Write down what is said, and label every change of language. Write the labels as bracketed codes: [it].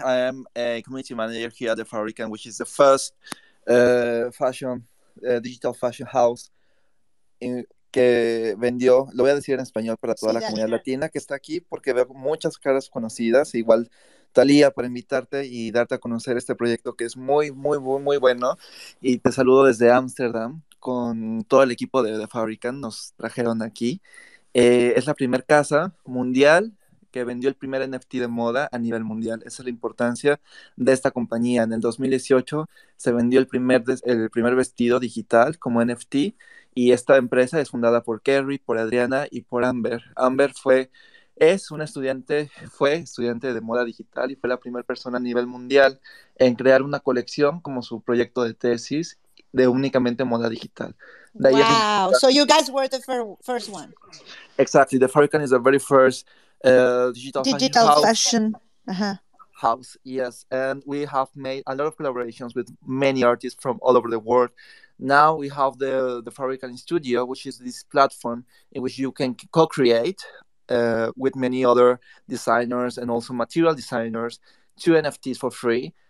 [en] I am a community manager here at The Fabricant, which is the first digital fashion house [es] que vendió. Lo voy a decir en español para toda la comunidad latina que está aquí, porque veo muchas caras conocidas, igual Talía, por invitarte y darte a conocer este proyecto que es muy, muy, muy, muy bueno. Y te saludo desde Ámsterdam con todo el equipo de The Fabrican. Nos trajeron aquí. Es la primer casa mundial que vendió el primer NFT de moda a nivel mundial. Esa es la importancia de esta compañía. En el 2018 se vendió el primer vestido digital como NFT. Y esta empresa es fundada por Kerry, por Adriana y por Amber. Amber fue estudiante de moda digital y fue la primera persona a nivel mundial en crear una colección como su proyecto de tesis de únicamente moda digital. [en] Wow, so you guys were the first one. Exactly, The Fabrican is the very first digital fashion house. Yes, and we have made a lot of collaborations with many artists from all over the world. Now we have the Fabrican Studio, which is this platform in which you can co-create with many other designers and also material designers, two NFTs for free.